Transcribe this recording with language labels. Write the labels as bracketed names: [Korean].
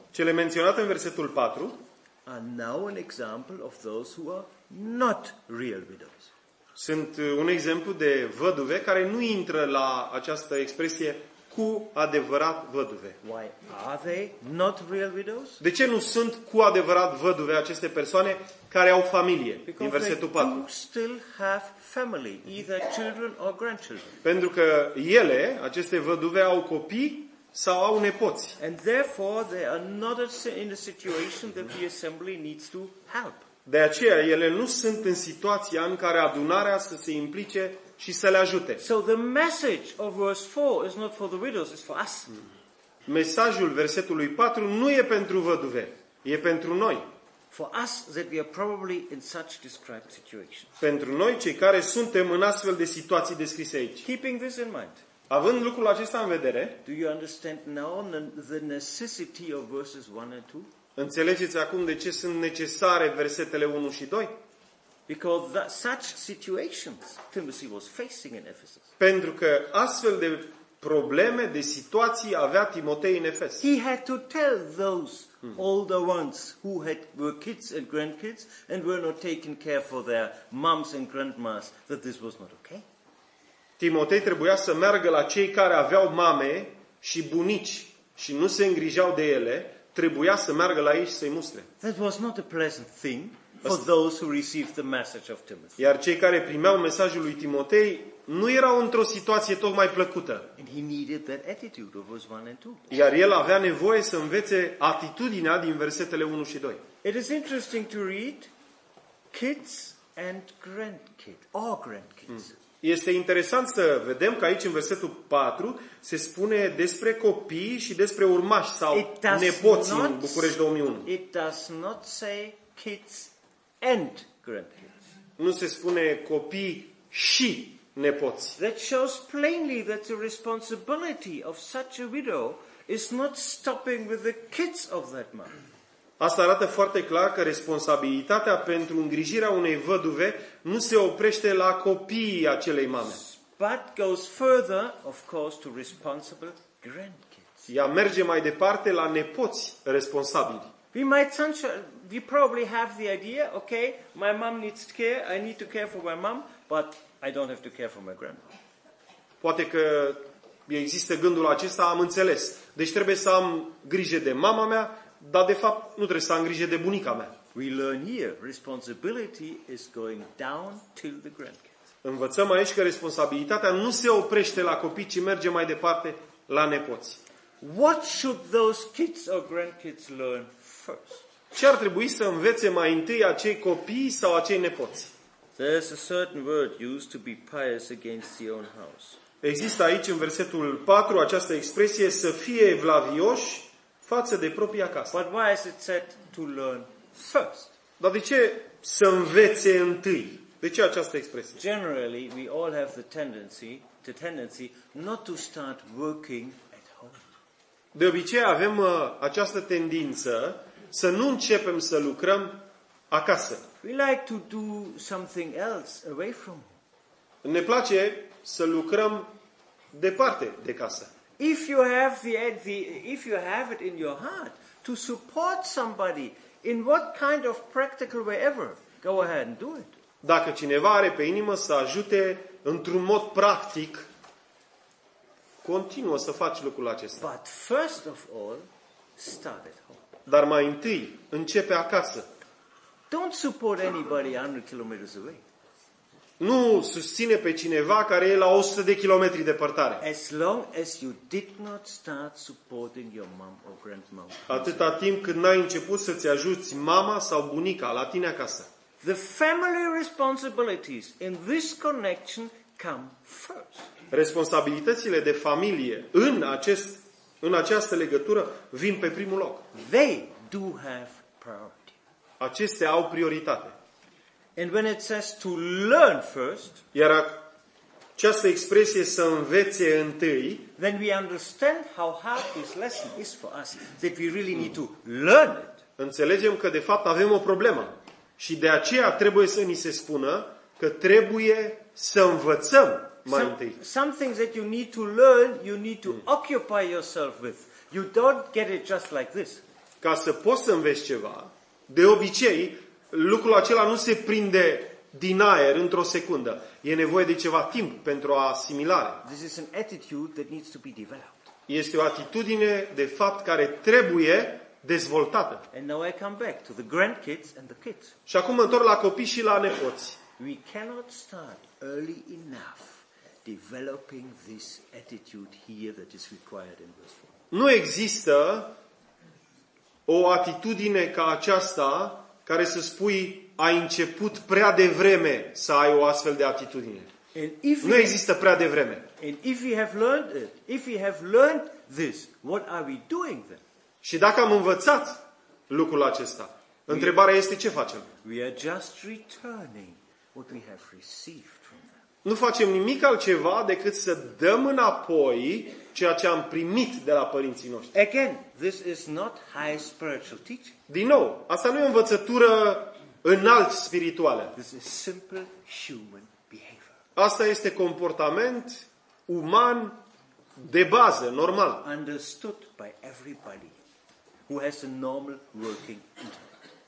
[Romanian] cele menționate în versetul 4, [English] are now an example of those who are not real widows. [Romanian] Sunt un exemplu de văduve care nu intră la această expresie cu adevărat văduve. [English] Why are they not real widows? [Romanian] De ce nu sunt cu adevărat văduve aceste persoane care au familie, [English] because [Romanian] din versetul 4. [English] Still have family, either children or grandchildren. [Romanian] Pentru că ele, aceste văduve, au copii sau au nepoți. [English] And therefore they are not in a situation that the assembly needs to help. [Romanian] De aceea ele nu sunt în situația în care adunarea să se implice și să le ajute. [English] So the message of verse 4 is not for the widows, it's for us. [Romanian] Mesajul versetului 4 nu e pentru văduve, e pentru noi. [English] For us that we are probably in such described situations. [Romanian] Pentru noi cei care suntem în astfel de situații descrise aici. [English] Keeping this in mind. [Romanian] Având lucrul acesta în vedere, [English] do you understand now the necessity of verses 1 and 2? [Romanian] Înțelegeți acum de ce sunt necesare versetele 1 și 2? [English] Because that such situations Timothy was facing in Ephesus. [Romanian] Pentru că astfel de probleme, de situații avea Timotei în Efes. [English] He had to tell those older ones who had were kids and grandkids and were not taken care for their moms and grandmas that this was not okay. [Romanian] Timotei trebuia să meargă la cei care aveau mame și bunici și nu se îngrijeau de ele, trebuia să meargă la ei și să-i mustre. [English] That was not a pleasant thing for those who received the message of Timothy. [Romanian] Iar cei care primeau mesajul lui Timotei nu erau într-o situație tocmai plăcută. [English] And he needed that attitude of verse 1 and 2. [Romanian] Iar el avea nevoie să învețe atitudinea din versetele 1 și 2. [English] It is interesting to read kids and grandkids, all grandkids. [Romanian] Este interesant să vedem că aici în versetul 4 se spune despre copii și despre urmași sau nepoții în București 2001. [English] It does not say kids and grandkids. [Romanian] Nu se spune copii și nepoți. [English] That shows plainly that the responsibility of such a widow is not stopping with the kids of that man. [Romanian] Asta arată foarte clar că responsabilitatea pentru îngrijirea unei văduve nu se oprește la copiii acelei mame. [English] But goes further, of course, to responsible grandkids. [Romanian] Ea merge mai departe la nepoți responsabili. [English] We probably have the idea, okay, my mom needs care, I need to care for my mom, but I don't have to care for my grandma. [Romanian] Poate că există gândul acesta, am înțeles. Deci trebuie să am grijă de mama mea, dar de fapt nu trebuie să am grijă de bunica mea. [English] We learn here responsibility is going down to the grandkids. [Romanian] Învățăm aici că responsabilitatea nu se oprește la copii, ci merge mai departe la nepoți. [English] What should those kids or grandkids learn first? [Romanian] Ce ar trebui să învețe mai întâi acei copii sau acei nepoți? [English] There's a certain word used to be pious against the own house. [Romanian] Există aici în versetul 4 această expresie să fie evlavioși față de propria casă. [English] But why is it said to learn first? [Romanian] Dar de ce să învețe întâi? De ce această expresie? [English] Generally, we all have the tendency not to start working at home. [Romanian] De obicei avem această tendință să nu începem să lucrăm acasă. [English] We like to do something else away from home. [Romanian] Ne place să lucrăm departe de casă. [English] If you have it in your heart to support somebody in what kind of practical way ever, go ahead and do it. [Romanian] Dacă cineva are pe inimă să ajute într-un mod practic, continuă să faci lucrul acesta. [English] But first of all, start at home. [Romanian] Dar mai întâi, începe acasă. [English] Don't support anybody 100 kilometers away. [Romanian] Nu susține pe cineva care e la 100 de kilometri depărtare. [English] As long as you did not start supporting your mom or grandma. [Romanian] Atâta timp cât n-ai început să-ți ajuți mama sau bunica la tine acasă. [English] The family responsibilities in this connection come first. [Romanian] Responsabilitățile de familie în această legătură vin pe primul loc. [English] They do have priority. [Romanian] Acestea au prioritate. [English] And when it says to learn first, [Romanian] iar această expresie să învețe întâi, [English] then we understand how hard this lesson is for us, that we really need to learn it. [Romanian] Înțelegem că de fapt avem o problemă și de aceea trebuie să ni se spună că trebuie să învățăm mai întâi. [English] Some things that you need to learn, you need to occupy yourself with. You don't get it just like this. [Romanian] Ca să poți să înveți ceva, de obicei lucrul acela nu se prinde din aer într-o secundă. E nevoie de ceva timp pentru asimilare. [English] This is an attitude that needs to be developed. [Romanian] Este o atitudine de fapt care trebuie dezvoltată. [English] And now I come back to the grandkids and the kids. [Romanian] Și acum mă întorc la copii și la nepoți. [English] We cannot start early enough developing this attitude here that is required in verse 4. [Romanian] Nu există o atitudine ca aceasta care să spui ai început prea devreme să ai o astfel de atitudine. Nu există prea devreme. [English] And if we have learned it, if we have learned this, what are we doing then? [Romanian] Și dacă am învățat lucrul acesta, întrebarea este ce facem? [English] We are just returning what we have received from them. [Romanian] Nu facem nimic altceva decât să dăm înapoi ceea ce am primit de la părinții noștri. [English] Again, this is not high spiritual teaching. [Romanian] Din nou, asta nu e o învățătură înalt spirituală. [English] This is simple human behavior. [Romanian] Asta este comportament uman de bază, normal. [English] Understood by everybody who has a normal working intellect.